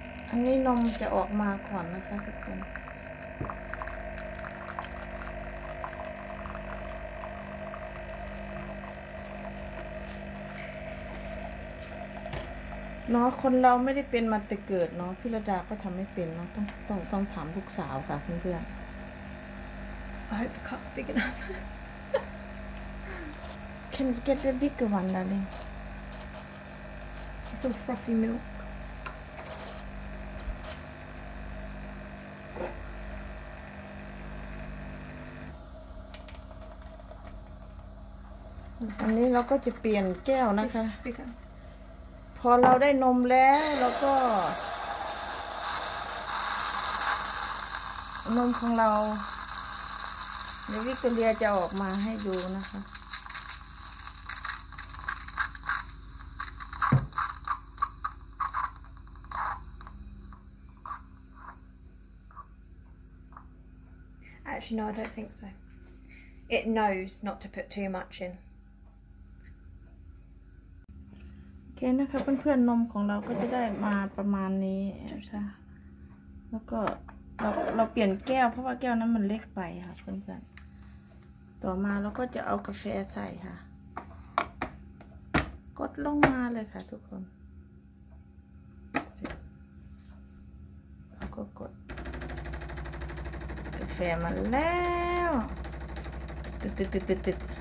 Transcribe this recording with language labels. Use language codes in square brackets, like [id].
[th] อันนี้นมจะออกมาก่อนนะคะทุกคนเนาะคนเราไม่ได้เป็นมาแต่เกิดเนาะพี่ระดาก็ทำไม่เป็นเนาะต้องถามลูกสาวค่ะเพื่อนเพื่อน [en] I hope the cup's big enough Can you get a bigger one darling? Some frothy milk [th] อันนี้เราก็จะเปลี่ยนแก้วนะคะพอเราได้นมแล้วเราก็นมของเราเดี๋ยววิกตอเรียจะออกมาให้ดูนะคะ [en] Actually, no, I don't think so. It knows not to put too much in. [th] Okay, นะคะเพื่อนๆนมของเราก็จะได้มาประมาณนี้ค่ะแล้วก็เราเปลี่ยนแก้วเพราะว่าแก้วนั้นมันเล็กไปค่ะเพื่อนๆต่อมาเราก็จะเอากาแฟใส่ค่ะกดลงมาเลยค่ะทุกคนแล้วก็กดแฟมาแล้วติด